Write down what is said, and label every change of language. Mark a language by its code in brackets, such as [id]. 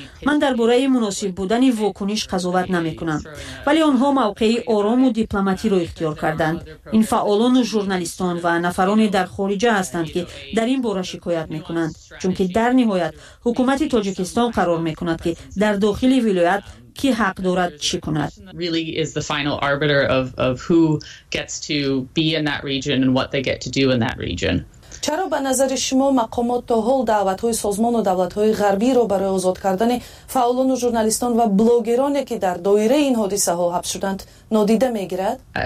[fa] من درباره مناسب بودن واکنش قضاوت نمی کنم، ولی آنها موقعی آرام و و دیپلماتی رو اختیار کردند. این فعالان و ژورنالیستان و نفرانی در خارج هستند که در این باره شکایت میکنند، چون که در نهایت حکومت تاجیکستان قرار میکند که در داخل ولایت کی حق دارد چی کند. [en] Really is the final arbiter of who gets to be in that region and what they get to do in that region. [fa] چرا به نظر شما مقامات تا حال دعوت‌های سازمان و دولت‌های غربی را برای آزاد کردن فعالان و ژورنالیستان و بلاگرانی که در دایره این حادثه‌ها حبس شدند نادیده می‌گیرد؟